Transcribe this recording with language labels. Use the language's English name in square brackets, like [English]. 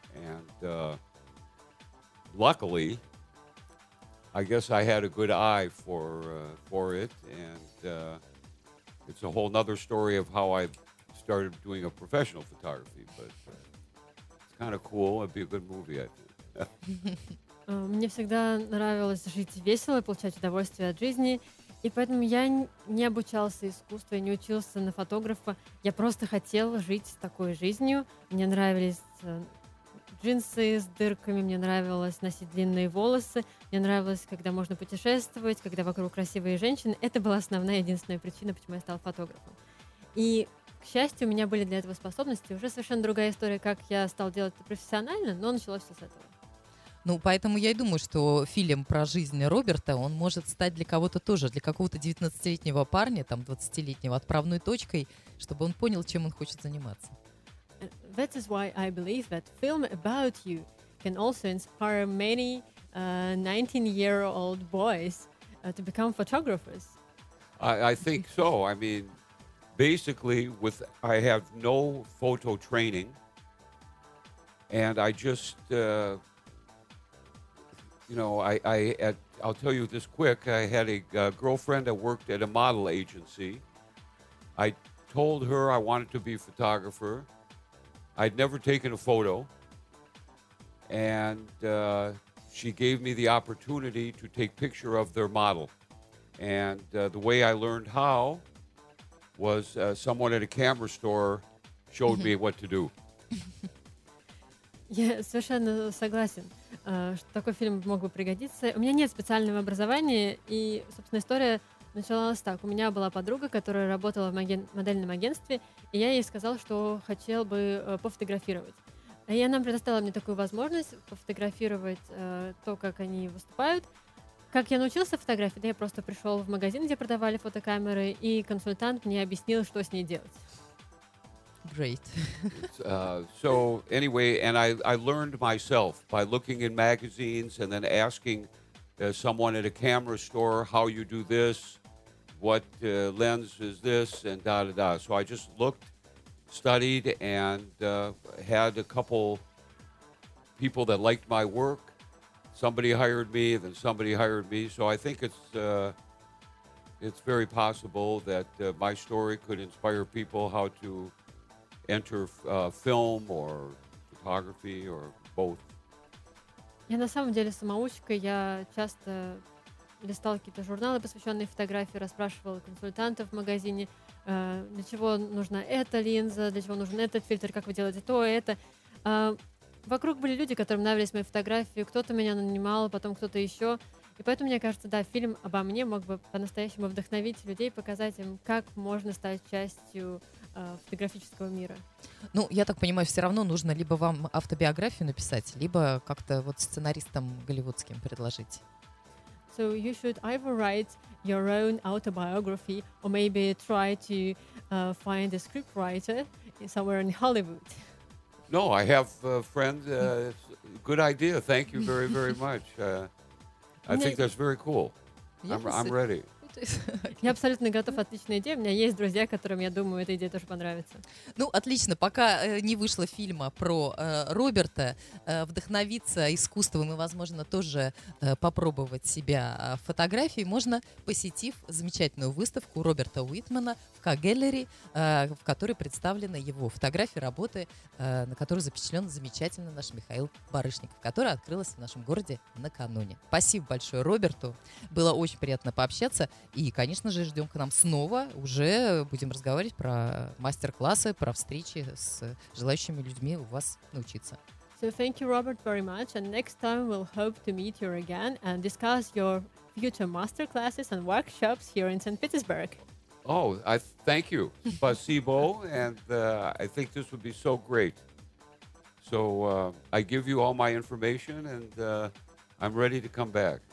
[English] And luckily, I guess I had a good eye for it. And it's a whole nother story of how I started doing a professional photography, but it's kind of cool. It'd be a good movie, I think. [Russian] Мне всегда нравилось жить весело, получать удовольствие от жизни, и поэтому я не обучался искусству, я не учился на фотографа. Я просто хотел жить такой жизнью. Мне нравились джинсы с дырками, мне нравилось носить длинные волосы, мне нравилось, когда можно путешествовать, когда вокруг красивые женщины. Это была основная, единственная причина, почему я стал фотографом. И к счастью, у меня были для этого способности. Уже совершенно другая история, как я стал делать это профессионально, но началось все с этого. Ну, поэтому я и думаю, что фильм про жизнь Роберта, он может стать для кого-то тоже, для какого-то 19-летнего парня, там, 20-летнего, отправной точкой, чтобы он понял, чем он хочет заниматься. [English] That is why I believe that film about you can also inspire many 19-year-old boys to become photographers. I think so. I mean, basically, with I have no photo training, and I just, you know, I'll tell you this quick. I had a girlfriend that worked at a model agency. I told her I wanted to be a photographer. I'd never taken a photo, and she gave me the opportunity to take picture of their model, and the way I learned how was someone at a camera store showed me what to do. [Russian] Я совершенно согласен, что такой фильм мог бы пригодиться. У меня нет специального образования, и, собственно, история началась так. У меня была подруга, которая работала в модельном агентстве, и я ей сказал, что хотел бы пофотографировать. И она предоставила мне такую возможность пофотографировать то, как они выступают. Как я научился фотографии, да я просто пришел в магазин, где продавали фотокамеры, и консультант мне объяснил, что с ней делать. [English] Great. So anyway, and I learned myself by looking in magazines and then asking someone at a camera store how you do this, what lens is this, and da da da. So I just looked, studied, and had a couple people that liked my work. Somebody hired me, then somebody hired me. So I think it's very possible that my story could inspire people how to enter film or photography or both. [Russian] Я на самом деле самоучка. Я часто листал какие-то журналы, посвященные фотографии, расспрашивал консультантов в магазине, для чего нужна эта линза, для чего нужен этот фильтр, как вы делаете то, это. Вокруг были люди, которым нравились мои фотографии, кто-то меня нанимал, потом кто-то еще. И поэтому, мне кажется, да, фильм обо мне мог бы по-настоящему вдохновить людей, показать им, как можно стать частью фотографического мира. Ну, я так понимаю, все равно нужно либо вам автобиографию написать, либо как-то вот сценаристам голливудским предложить. [English] So you should either write your own autobiography or maybe try to find a scriptwriter somewhere in Hollywood. No, I have a friend. Good idea. Thank you very, very much. I think that's very cool. I'm ready. [Russian] Я абсолютно готов. Отличная идея. У меня есть друзья, которым, я думаю, эта идея тоже понравится. Ну, отлично. Пока не вышло фильма про Роберта, вдохновиться искусством и, возможно, тоже попробовать себя в фотографии, можно, посетив замечательную выставку Роберта Уитмана в К-галерее, в которой представлены его фотографии, работы, на которой запечатлен замечательный наш Михаил Барышников, которая открылась в нашем городе накануне. Спасибо большое Роберту. Было очень приятно пообщаться. И, конечно же, ждем к нам снова. Уже будем разговаривать про мастер-классы, про встречи с желающими людьми у вас научиться. [English] So thank you, Robert, very much. And next time we'll hope to meet you again and discuss your future masterclasses and workshops here in St. Petersburg. Oh, thank you. [Russian] Спасибо. [English] And I think this would be so great. So I give you all my information and I'm ready to come back.